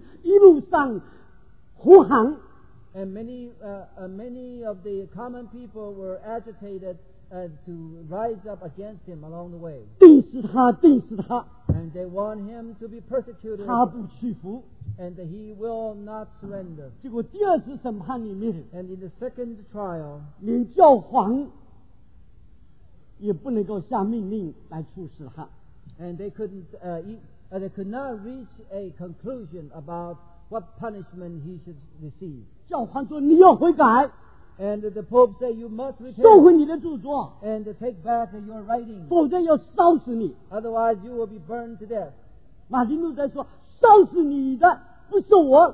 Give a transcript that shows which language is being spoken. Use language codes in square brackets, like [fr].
[zh] 天主教发动许多的百姓一路上呼喊, [en] and many many of the common people were agitated to rise up against him along the way. [zh] 定死他, 定死他, [en] and they want him to be persecuted. [zh] 他不屈服, [en] and he will not surrender. [zh] 结果第二次审判里面, [en] and in the second trial, [zh] 连教皇也不能够下命令来处死他, [en] and they couldn't they could not reach a conclusion about what punishment he should receive. [zh] 教皇说你要悔改, [en] and the Pope said, you must repent and take back your writing, [zh] 否则要烧死你, [en] otherwise you will be burned to death. [zh] 马丁路德说, 烧死你的不是我,